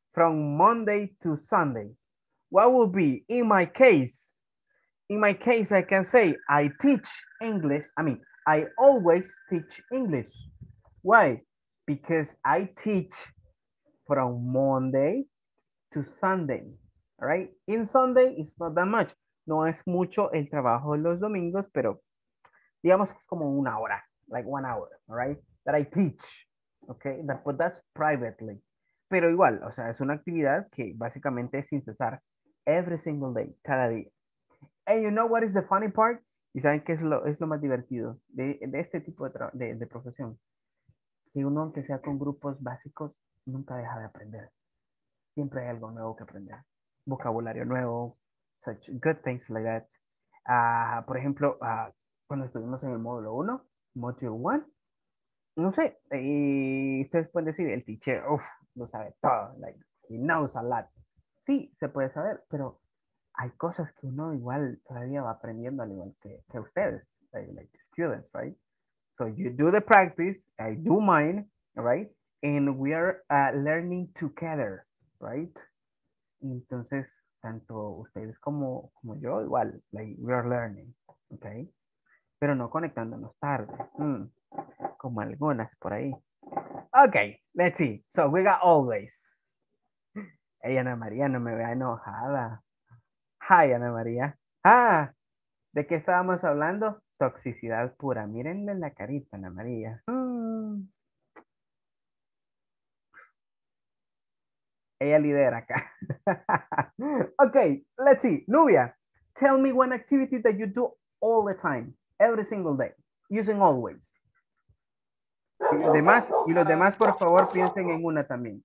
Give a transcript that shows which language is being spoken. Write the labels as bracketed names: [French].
[English] From Monday to Sunday. What will be in my case? In my case, I can say I teach English. I mean, I always teach English. Why? Because I teach from Monday to Sunday, right? In Sunday, it's not that much. [Spanish] No es mucho el trabajo los domingos, pero digamos que es como una hora, [English] like 1 hour, right? That I teach, okay? That, but that's privately. [Spanish] Pero igual, o sea, es una actividad que básicamente es sin cesar, [English] every single day, [Spanish] cada día. [English] And you know what is the funny part? [Spanish] ¿Y saben qué es lo más divertido de este tipo de profesión? Que uno, aunque sea con grupos básicos, nunca deja de aprender. Siempre hay algo nuevo que aprender. Vocabulario nuevo, [English] such good things like that. [Spanish] Por ejemplo, cuando estuvimos en el módulo 1, module 1, no sé, y ustedes pueden decir, el teacher, uff, lo sabe todo, [English] like, he knows a lot. [Spanish] Sí, se puede saber, pero hay cosas que uno igual todavía va aprendiendo al igual que ustedes, [English] like students, right? So you do the practice, I do mine, right? And we are learning together, right? [Spanish] Entonces, tanto ustedes como yo, igual, [English] like, we are learning, okay? [Spanish] Pero no conectándonos tarde, como algunas por ahí. [English] Okay, let's see. So we got always. Hey, Ana María, [Spanish] no me vea enojada. [English] Hi, Ana María. [Spanish] Ah, ¿de qué estábamos hablando? Toxicidad pura. Mírenle la carita, Ana María. Ella lidera acá. [English] Okay, let's see. Nubia, tell me one activity that you do all the time, every single day, using always. [Spanish] Y los demás, por favor, piensen en una también.